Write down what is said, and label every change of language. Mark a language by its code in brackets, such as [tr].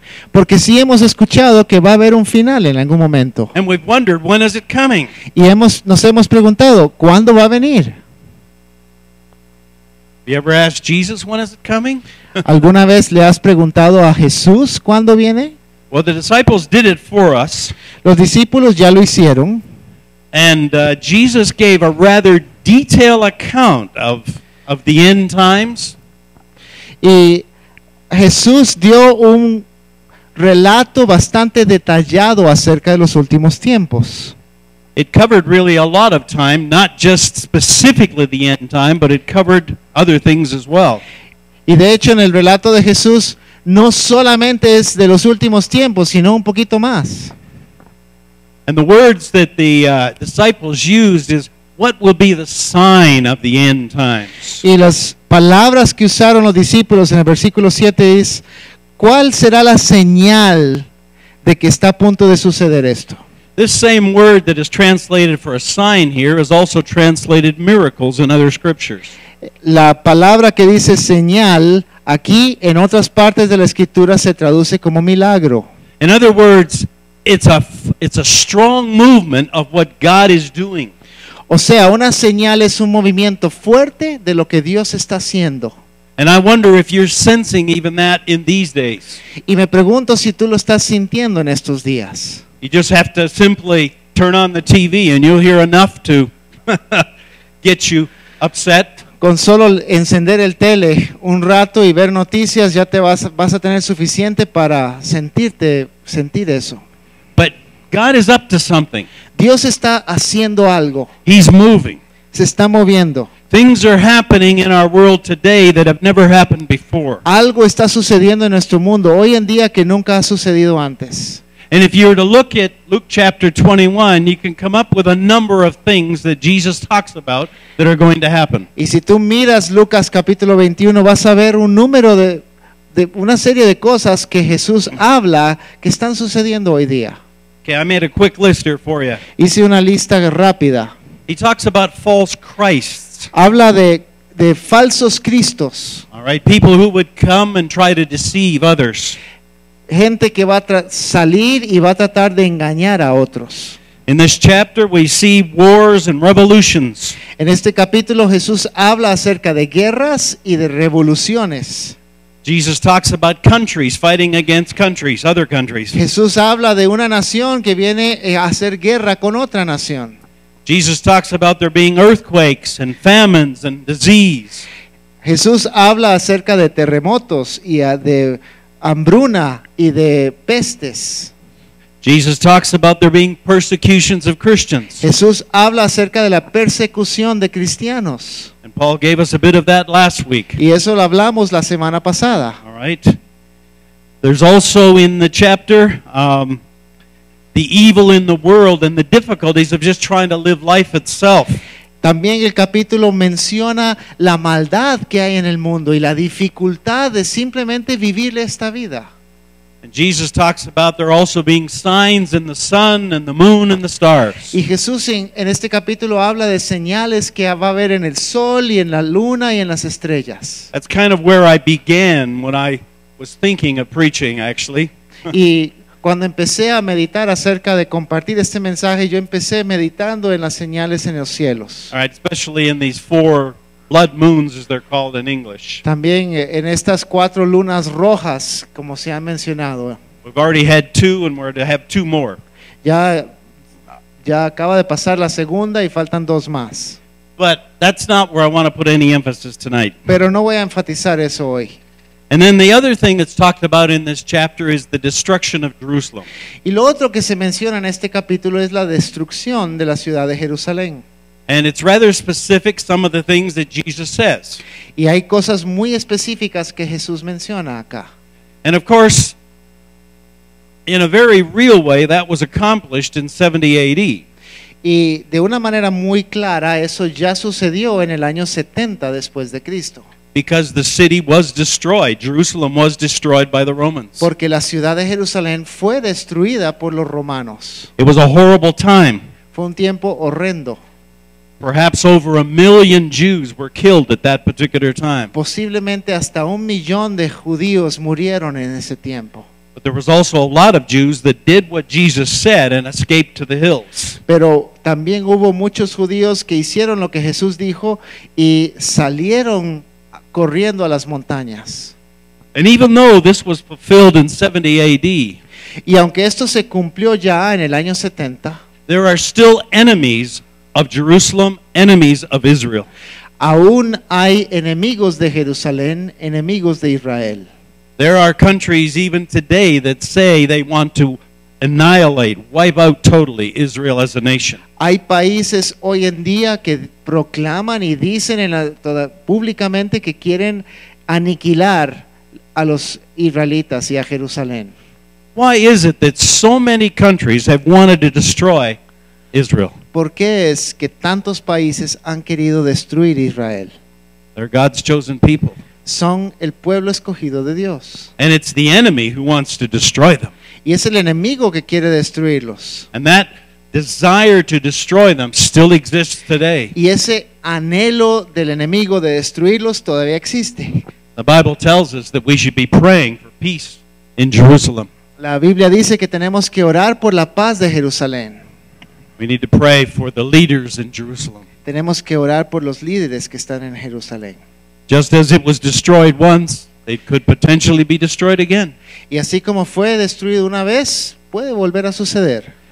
[es] Porque sí hemos escuchado que va a haber un final en algún momento. [en] And we've wondered, when is it coming? [es] Y nos hemos preguntado, ¿cuándo va a venir? [en] You ever asked Jesus, when is it coming? [es] ¿Alguna vez le has preguntado a Jesús cuándo viene? [en] Well, the disciples did it for us. [es] Los discípulos ya lo hicieron. [en] And Jesus gave a rather detailed account of the end times. [es] Y Jesús dio un relato bastante detallado acerca de los últimos tiempos. [en] It covered really a lot of time, not just specifically the end time, but it covered other things as well. [es] Y de hecho en el relato de Jesús no solamente es de los últimos tiempos, sino un poquito más. [en] And the words that the disciples used is, what will be the sign of the end times? [es] Y las palabras que usaron los discípulos en el versículo 7 es, ¿cuál será la señal de que está a punto de suceder esto? [en] This same word that is translated for a sign here is also translated miracles in other scriptures. [es] La palabra que dice señal aquí en otras partes de la escritura se traduce como milagro. [en] In other words, it's a strong movement of what God is doing. [es] O sea, una señal es un movimiento fuerte de lo que Dios está haciendo. [en] And I wonder if you're sensing even that in these days. [es] Y me pregunto si tú lo estás sintiendo en estos días. [en] You just have to simply turn on the TV and you'll hear enough to get you upset. [es] Con solo encender el tele un rato y ver noticias ya te vas a tener suficiente para sentir eso. [en] But God is up to something. [es] Dios está haciendo algo. [en] He's moving. [es] Se está moviendo. [en] Things are happening in our world today that have never happened before. [es] Algo está sucediendo en nuestro mundo hoy en día que nunca ha sucedido antes. [en] And if you were to look at Luke chapter 21, you can come up with a number of things that Jesus talks about that are going to happen. [es] Y si tú miras Lucas capítulo 21, vas a ver un número de una serie de cosas que Jesús habla que están sucediendo hoy día. [en] Okay, I made a quick list here for you. [es] Hice una lista rápida. [en] He talks about false Christs. [es] Habla de falsos Cristos. [en] All right, people who would come and try to deceive others. [es] Gente que va a salir y va a tratar de engañar a otros. [en] In this chapter we see wars and revolutions. [es] En este capítulo Jesús habla acerca de guerras y de revoluciones. [en] Jesus talks about countries fighting against countries, other countries. [es] Jesús habla de una nación que viene a hacer guerra con otra nación. [en] Jesus talks about there being earthquakes and famines and disease. [es] Jesús habla acerca de terremotos y de hambruna y de pestes. [en] Jesus talks about there being persecutions of Christians. [es] Jesús habla acerca de la persecución de cristianos. [en] And Paul gave us a bit of that last week. [es] Y eso lo hablamos la semana pasada. [en] All right. There's also in the chapter the evil in the world and the difficulties of just trying to live life itself. [es] También el capítulo menciona la maldad que hay en el mundo y la dificultad de simplemente vivir esta vida. [en] And Jesus talks about there also being signs in the sun and the moon and the stars. [es] Y Jesús en este capítulo habla de señales que va a haber en el sol y en la luna y en las estrellas. [en] That's kind of where I began when I was thinking of preaching, actually. [es] Y cuando empecé a meditar acerca de compartir este mensaje, yo empecé meditando en las señales en los cielos. [en] All right, especially in these four blood moons, as they're called in English. [es] También en estas cuatro lunas rojas, como se ha mencionado. [en] We've already had two, and we're to have two more. [es] Ya acaba de pasar la segunda y faltan dos más. [en] But that's not where I want to put any emphasis tonight. [es] Pero no voy a enfatizar eso hoy. [en] And then the other thing that's talked about in this chapter is the destruction of Jerusalem. [es] Y lo otro que se menciona en este capítulo es la destrucción de la ciudad de Jerusalén. [en] And it's rather specific, some of the things that Jesus says. [es] Y hay cosas muy específicas que Jesús menciona acá. [en] And of course, in a very real way, that was accomplished in 70 AD. [es] Y de una manera muy clara, eso ya sucedió en el año 70 después de Cristo. [en] Because the city was destroyed. Jerusalem was destroyed by the Romans. [es] Porque la ciudad de Jerusalén fue destruida por los romanos. [en] It was a horrible time. [es] Fue un tiempo horrendo. [en] Perhaps over a million Jews were killed at that particular time. [es] Posiblemente hasta un millón de judíos murieron en ese tiempo. [en] But there was also a lot of Jews that did what Jesus said and escaped to the hills. [es] Pero también hubo muchos judíos que hicieron lo que Jesús dijo y salieron corriendo a las montañas. [en] And even though this was fulfilled in 70 AD, [es] y aunque esto se cumplió ya en el año 70, [en] there are still enemies of Jerusalem, enemies of Israel. [es] Aún hay enemigos de Jerusalén, enemigos de Israel. [en] There are countries even today that say they want to annihilate, wipe out totally Israel as a nation. [es] Hay países hoy en día que proclaman y dicen públicamente que quieren aniquilar a los israelitas y a Jerusalén. [en] Why is it that so many countries have wanted to destroy Israel? [es] ¿Por qué es que tantos países han querido destruir Israel? [en] They're God's chosen people. [es] Son el pueblo escogido de Dios. [en] And it's the enemy who wants to destroy them. [es] Y es el enemigo que quiere destruirlos. [en] And that desire to destroy them still exists today. [es] Y ese anhelo del enemigo de destruirlos todavía existe. [en] The Bible tells us that we should be praying for peace in Jerusalem. [es] La Biblia dice que tenemos que orar por la paz de Jerusalén. [en] We need to pray for the leaders in Jerusalem. [es] Tenemos que orar por los líderes que están en Jerusalén. [en] Just as it was destroyed once, it could potentially be destroyed again. [es] Y así como fue destruido una vez, puede volver a suceder.